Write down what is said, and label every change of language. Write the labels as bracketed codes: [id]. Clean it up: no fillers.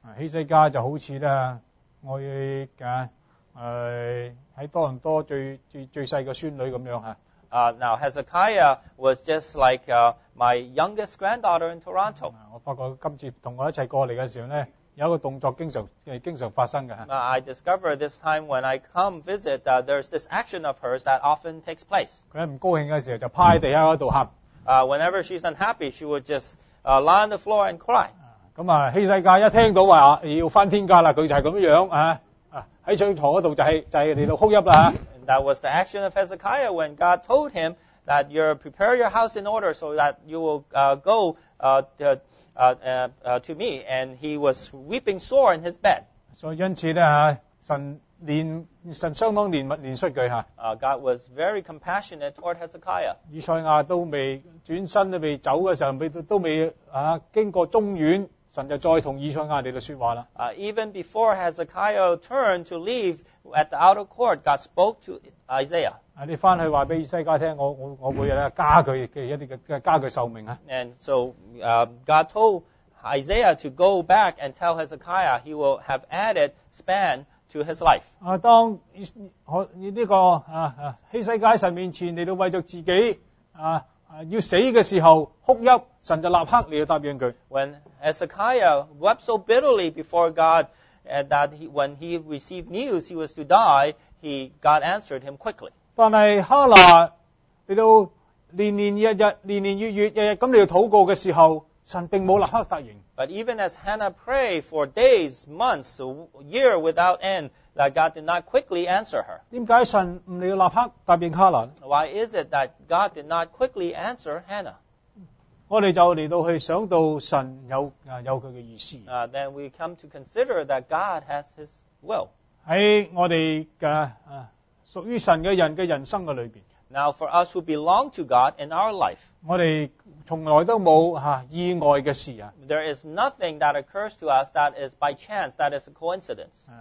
[yue] Hezekiah 就好似咧，我喺多伦多最细个孙女咁样吓。 [en] Now Hezekiah was just like my youngest granddaughter in Toronto. [yue] 我发觉今次同我一齐过嚟嘅时候咧。有一个动作经常发生嘅。 [en] I discover this time when I come visit, there's this action of hers that often takes place. [yue] 佢喺唔高兴嘅时候就趴喺地下嗰度喊。 [en] Whenever she's unhappy, she would just lie on the floor and cry. [yue] 咁希西家一听到话要翻天家啦，佢就系咁样喺帐篷嗰度就系嚟到哭泣啦。 [en] That was the action of Hezekiah when God told him that you prepare your house in order so that you will go to me, and he was weeping sore in his bed. [yue] So, 因此咧吓，神相当怜恤佢吓。 [en] God was very compassionate toward Hezekiah. [yue] 以赛亚都未转身都未走嘅时候，都未经过中院，神就再同以赛亚嚟到说话啦。 [en] Even before Hezekiah turned to leave at the outer court, God spoke to Isaiah. [yue] 你翻去话俾以西家听，我会咧加佢嘅一啲嘅加佢寿命啊。 [en] And so, God told Isaiah to go back and tell Hezekiah he will have added span to his life. [yue] 当希西家神面前嚟到为着自己要死嘅时候哭泣，神就立刻嚟到答应佢。 [en] When Hezekiah wept so bitterly before God, that when he received news he was to die, God answered him quickly. [yue] 但系哈拿嚟到年年日日、年年月月、日日咁嚟祷告嘅时候，神并冇立刻答应。 [en] But even as Hannah prayed for days, months, year without end, that God did not quickly answer her. [yue] 点解神唔嚟立刻答应哈拿 [en] ？Why is it that God did not quickly answer Hannah？ [yue] 我哋就嚟到去想到神有佢嘅意思。 [en] Then we come to consider that God has His will. [yue] 喺我哋嘅属于神嘅人嘅人生嘅里边。 [en] Now for us who belong to God in our life， [yue] 我哋从来都冇意外嘅事。 [en] There is nothing that occurs to us that is by chance, that is a coincidence。